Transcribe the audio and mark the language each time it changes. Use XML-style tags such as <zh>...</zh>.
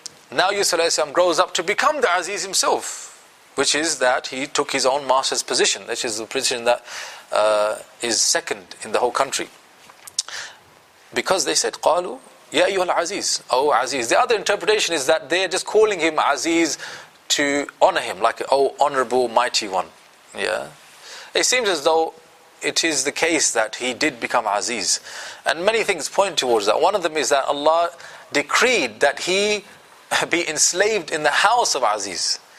<en>Now Yusuf alayhi salam grows up to become the Aziz himself, which is that he took his own master's position, which is the position that is second in the whole country. Because they said,</en> <ar>قَالُوا يَا أَيُّهَا الْعَزِيزُ.</ar> <en>Oh Aziz. The other interpretation is that they're just calling him Aziz to honor him, like, oh honorable mighty one. Yeah. It seems as though it is the case that he did become Aziz. And many things point towards that. One of them is that Allah decreed that he be enslaved in the house of Aziz.</en>